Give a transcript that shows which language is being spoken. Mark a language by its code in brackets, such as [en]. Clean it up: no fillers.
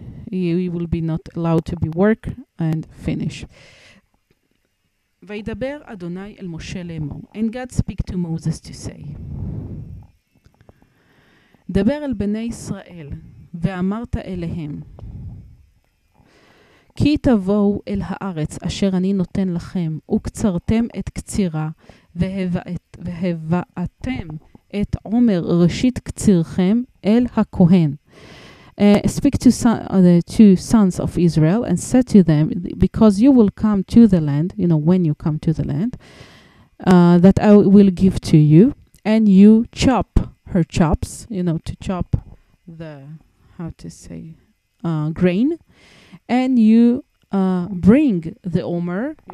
[en] You will be not allowed to be work and finish. [he] וידבר אדוני אל משה לאמור. [en] And God speak to Moses to say. [he] דבר אל בני ישראל ואמרת אליהם. כי תבואו אל הארץ אשר אני נותן לכם וקצרתם את קצירה והבאתם את עומר ראשית קצירכם אל הכהן. [en] Speak to two sons of Israel and said to them, because you will come to the land, you know, when you come to the land, that I will give to you, and you chop her chops, you know, to chop the, how to say, grain, and you bring the omer.